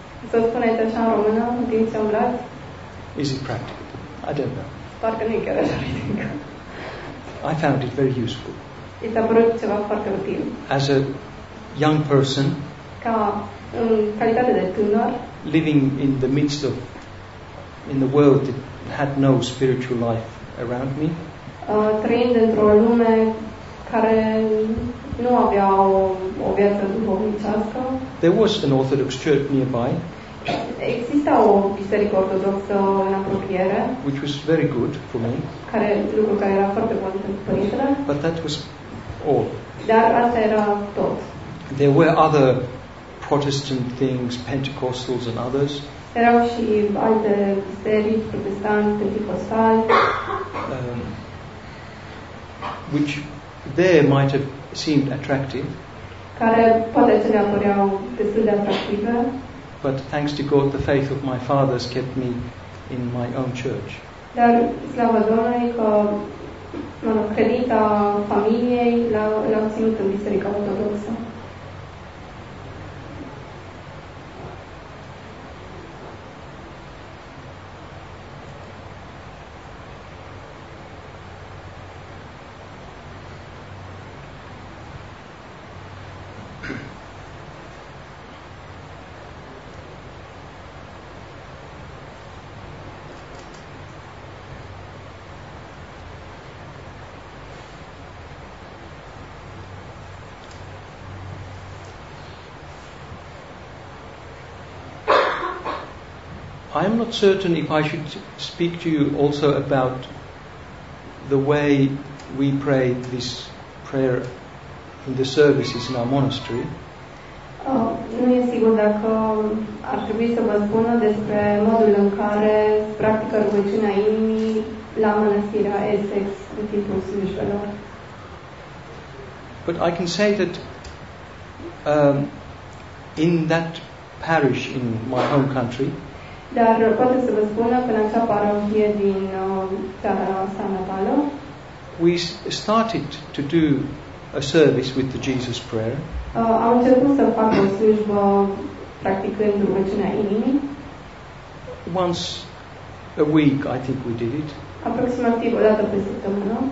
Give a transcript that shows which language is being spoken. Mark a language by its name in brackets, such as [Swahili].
[Romanian] Să spuneți așa în română, în timp ce umblați? [English] Is it practical? I don't know. [Romanian] Parcă nu e chiar așa. [English] I found it very useful. [Romanian] I s-a părut ceva foarte util. [English] As a young person, [Romanian] ca în calitate de tânăr, [English] living in the midst of, in the world that had no spiritual life around me, [Romanian] trăind într-o lume care nu avea o viață duhovnicească. [English] There was an Orthodox church nearby. [Romanian] Exista o biserică ortodoxă în apropiere. [English] Which was very good for me. [Romanian] Lucru care era foarte bun pentru părintele. [English] But that was all. [Romanian] Dar asta era tot. [English] There were other Protestant things, Pentecostals and others. [Romanian] Erau și alte biserici protestante, pentecostale. [English] Which there might have seemed attractive. [Romanian] Care poate ce ne-a păreau destul de atractive. [English] But thanks to God, the faith of my fathers kept me in my own church. [Romanian] Dar slava Domnului că, mă rog, credința familiei l-au ținut în biserica ortodoxă. [English] I am not certain if I should speak to you also about the way we pray this prayer in the services in our monastery. [Romanian] Nu e sigur dacă ar trebui să vă spun despre modul în care practică rugăciunea inimii la mănăstirea Essex în timpul slujbelor. [English] But I can say that in that parish in my home country. [Romanian] Dar pot să vă spun că în acea parohie din țara sa natală. [English] We started to do a service with the Jesus Prayer. [Romanian] Am început să fac o slujbă practicând rugăciunea inimii. [English] Once a week, I think we did it. [Romanian] Aproximativ o dată pe săptămână.